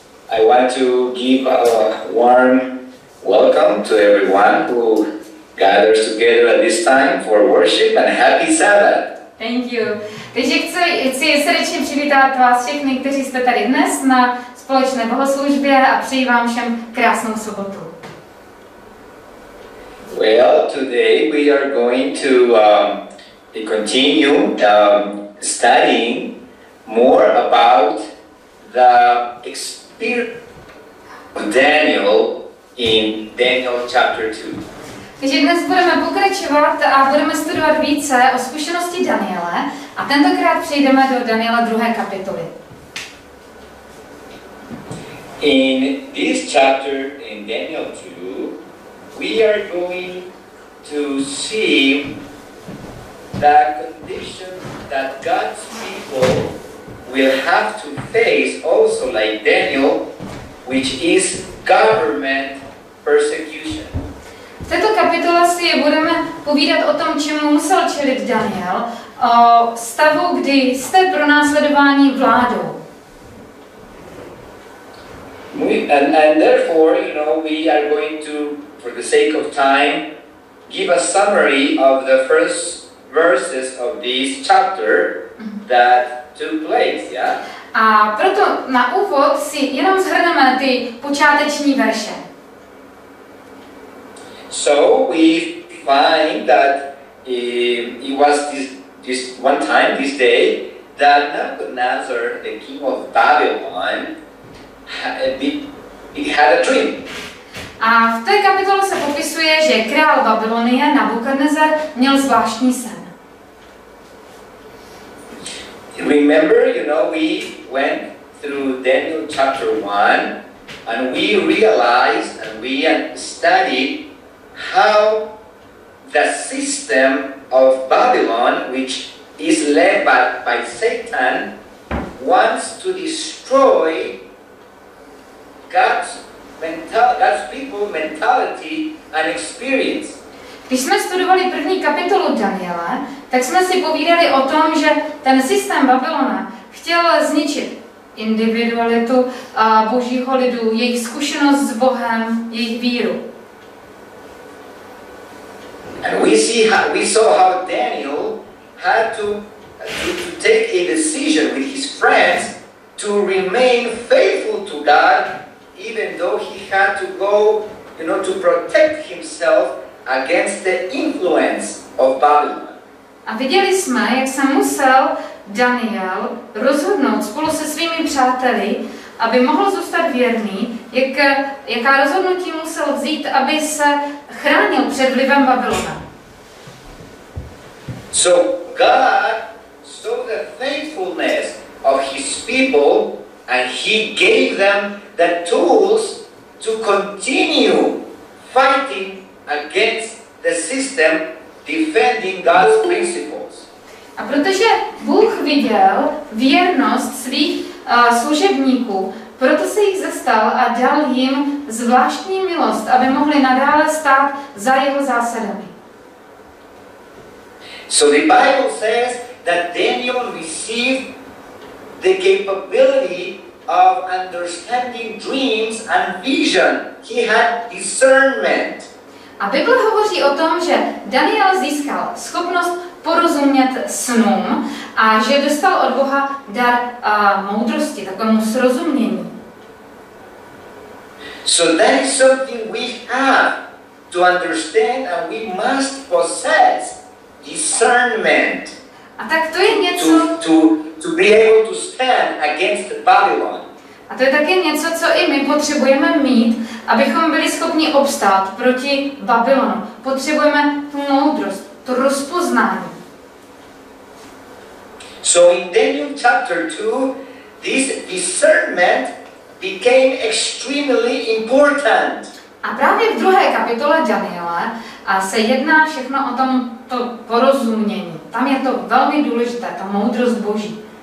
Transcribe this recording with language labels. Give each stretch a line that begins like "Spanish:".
English: I want to give a warm welcome to everyone who gathers together at this time for worship and happy Sabbath. Thank you.
Czech: Takže chci srdečně přivítat vás všechny, kteří jste tady dnes na společné bohoslužbě, a přeji vám všem krásnou sobotu.
English: Well, today we are going to continue studying more about the experience of Daniel in Daniel chapter 2.
Czech: Takže dnes budeme pokračovat a budeme studovat více o zkušenosti Daniele, a tentokrát přejdeme do Daniela 2. kapitoly.
English: In this chapter in Daniel 2, we are going to see the condition that God's people will have to face, also like Daniel, which is government persecution.
Czech: V této kapitole si budeme povídat o tom, čemu musel čelit Daniel, o stavu, kdy jste pronásledování vládou.
English: And therefore, you know, we are going to, for the sake of time, give a summary of the first verses of this chapter that took place, yeah?
Czech: A proto na úvod si jenom shrneme ty počáteční verše.
English: So we find that it was this one time, this day, that Nebuchadnezzar, the king of Babylon, had a dream.
Czech: A v té kapitole se popisuje, že král Babylonie Nebuchadnezzar měl zvláštní sen.
English: Remember, you know, we went through Daniel chapter 1 and we realized and we studied how the system of Babylon, which is led by Satan, wants to destroy God's people mentality and experience.
Czech: Když jsme studovali první kapitolu Daniela, tak jsme si povídali o tom, že ten systém Babylona chtěl zničit individualitu božího lidu, jejich zkušenost s Bohem, jejich víru.
English: And we saw how Daniel had to take a decision with his friends to remain faithful to God, even though he had to go, you know, to protect himself against the influence of Babylon.
Czech: A viděli jsme, jak se musel Daniel rozhodnout spolu se svými přáteli, aby mohl zůstat věrný, jaká rozhodnutí musel vzít, aby se chránil před vlivem Babylona.
English: So God saw the faithfulness of his people and he gave them the tools to continue fighting against the system, defending God's principles.
Czech: A protože Bůh viděl věrnost svých služebníků, proto se jich zastal a dal jim zvláštní milost, aby mohli nadále stát za jeho zásadami.
English: So the Bible says that Daniel received the capability of understanding dreams and vision. He had discernment.
Czech: A Bible hovoří o tom, že Daniel získal schopnost porozumět snům a že dostal od Boha dar moudrosti, takovému srozumění.
English: So that is something we have to understand and we must possess discernment.
Czech: A tak to je něco
English: to be able to stand against Babylon.
Czech: A to je také něco, co i my potřebujeme mít, abychom byli schopni obstát proti Babylonu. Potřebujeme tu moudrost, to rozpoznání.
English: So in Daniel chapter 2, this discernment became extremely important.
Czech: A právě v druhé kapitole Daniela se jedná všechno o tom to porozumění. Tam je to velmi důležité, ta moudrost Boží.